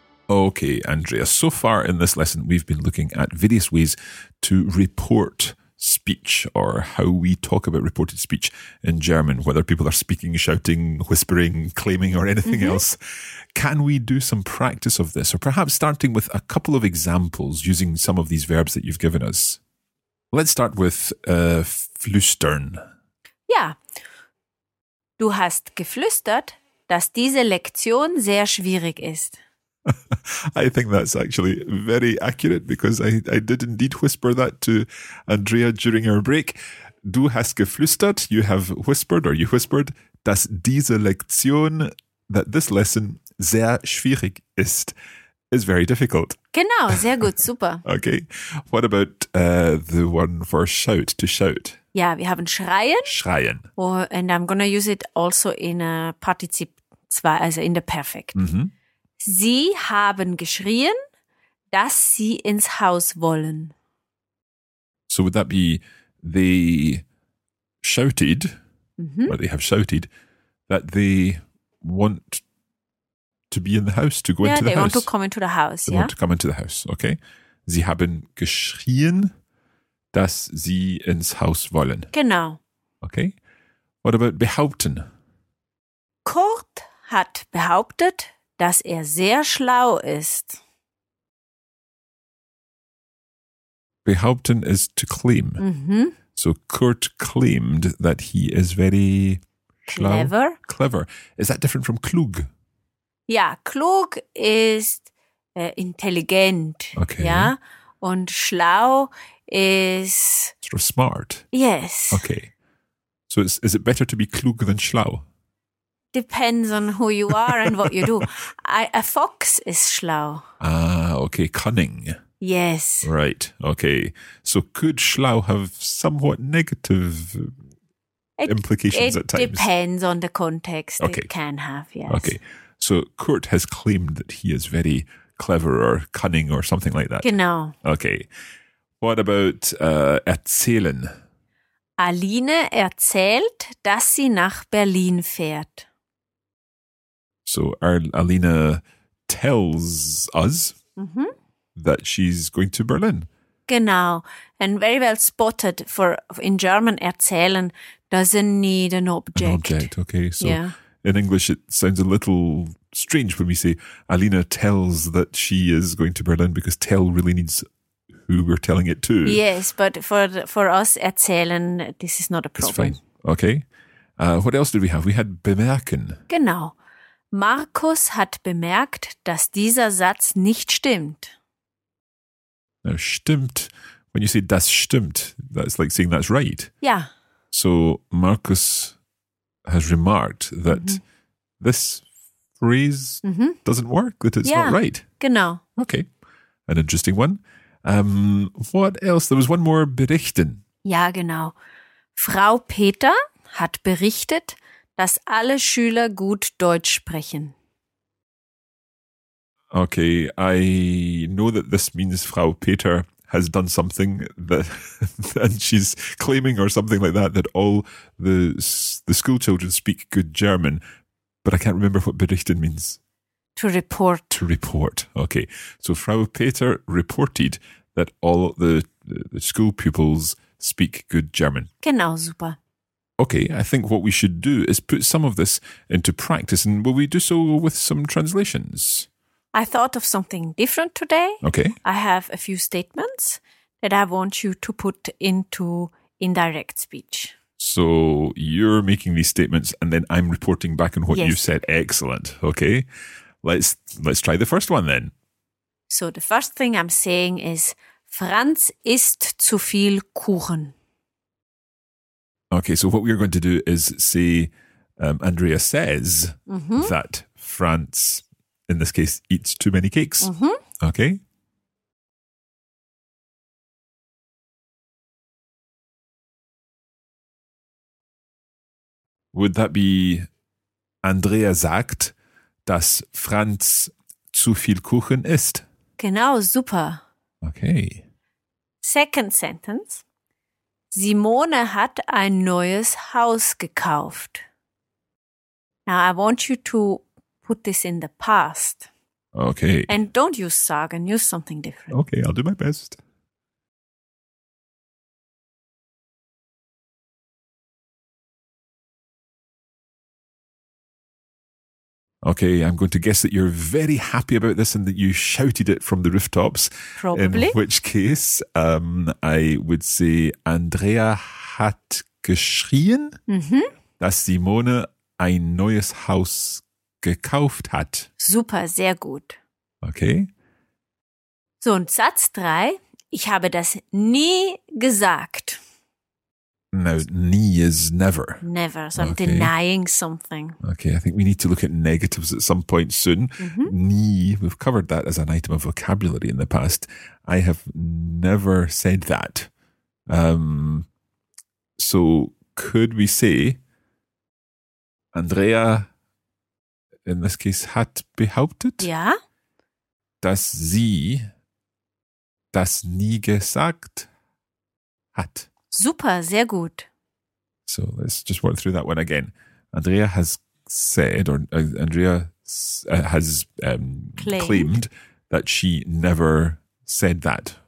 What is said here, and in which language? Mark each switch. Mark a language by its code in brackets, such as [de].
[en] Okay, Andrea, so far in this lesson, we've been looking at various ways to report speech, or how we talk about reported speech in German, whether people are speaking, shouting, whispering, claiming, or anything else. Can we do some practice of this? Or perhaps starting with a couple of examples using some of these verbs that you've given us. Let's start with flüstern. [de] Ja. Du hast geflüstert, dass diese Lektion sehr schwierig ist. [en] I think that's actually very accurate, because I did indeed whisper that to Andrea during our break. [de] Du hast geflüstert, [en] you have whispered, or you whispered, [de] dass diese Lektion, [en] that this lesson, [de] sehr schwierig ist, [en] is very difficult. [de] Genau, sehr gut, super. [en] Okay, what about the one for shout, to shout? [de] Ja, wir haben schreien. Schreien. [en] Oh, and I'm gonna use it also in a Partizip 2, also in the perfect. Mm-hmm. [de] Sie haben geschrien, dass sie ins Haus wollen. [en] So would that be, they shouted, or they have shouted, that they want to be in the house, to go yeah, into the house? Yeah, they want to come into the house. They want to come into the house, okay. [de] Sie haben geschrien, dass sie ins Haus wollen. Genau. [en] Okay. What about behaupten? [de] Kurt hat behauptet, dass sehr schlau ist. [en] Behaupten is to claim. Mm-hmm. So Kurt claimed that he is very schlau. Clever. Clever. Is that different from klug? [de] Ja, klug ist intelligent. [en] Okay. [de] Ja? Und schlau is [en] sort of smart. Yes. Okay. So is it better to be klug than schlau? Depends on who you are and what you do. A fox is schlau. Ah, okay. Cunning. Yes. Right. Okay. So could schlau have somewhat negative implications at times? It depends on the context. Okay. It can have, yes. Okay. So Kurt has claimed that he is very clever or cunning or something like that. [de] Genau. [en] Okay. What about erzählen? [de] Aline erzählt, dass sie nach Berlin fährt. [en] So Alina tells us that she's going to Berlin. [de] Genau. [en] And very well spotted, for in German, erzählen doesn't need an object. An object, okay. So in English, it sounds a little strange when we say Alina tells that she is going to Berlin, because tell really needs who we're telling it to. Yes, but for us, erzählen, this is not a problem. It's fine. Okay. What else did we have? We had bemerken. [de] Genau. Markus hat bemerkt, dass dieser Satz nicht stimmt. [en] Now, stimmt, when you say [de] das stimmt, [en] that's like saying that's right. Yeah. So Markus has remarked that this phrase doesn't work, that it's not right. [de] Genau. [en] Okay, an interesting one. What else? There was one more, berichten. [de] Ja, genau. Frau Peter hat berichtet, dass alle Schüler gut Deutsch sprechen. [en] Okay, I know that this means Frau Peter has done something that, and she's claiming or something like that, that all the school children speak good German, but I can't remember what berichten means. To report. To report, okay. So Frau Peter reported that all the school pupils speak good German. [de] Genau, super. [en] Okay, I think what we should do is put some of this into practice, and will we do so with some translations? I thought of something different today. Okay. I have a few statements that I want you to put into indirect speech. So you're making these statements and then I'm reporting back on what yes. you said. Excellent. Okay. Let's try the first one then. So the first thing I'm saying is, [de] Franz isst zu viel Kuchen. [en] Okay, so what we're going to do is say Andrea says mm-hmm. that Franz, in this case, eats too many cakes. Mm-hmm. Okay. Would that be [de] Andrea sagt, dass Franz zu viel Kuchen isst? Genau, super. [en] Okay. Second sentence. [de] Simone hat ein neues Haus gekauft. [en] Now, I want you to put this in the past. Okay. And don't use sagen, use something different. Okay, I'll do my best. Okay, I'm going to guess that you're very happy about this and that you shouted it from the rooftops. Probably. In which case, I would say [de] Andrea hat geschrien, [en] mm-hmm. [de] dass Simone ein neues Haus gekauft hat. Super, sehr gut. [en] Okay. [de] So, und Satz 3, ich habe das nie gesagt. [en] Now, nie is never. Never. So okay. I'm denying something. Okay, I think we need to look at negatives at some point soon. Mm-hmm. Nie, we've covered that as an item of vocabulary in the past. I have never said that. So could we say, Andrea, in this case, [de] hat behauptet? Ja. Dass sie das nie gesagt hat. Super, sehr gut. [en] So let's just work through that one again. Andrea has said, or Andrea has claimed that she never said that.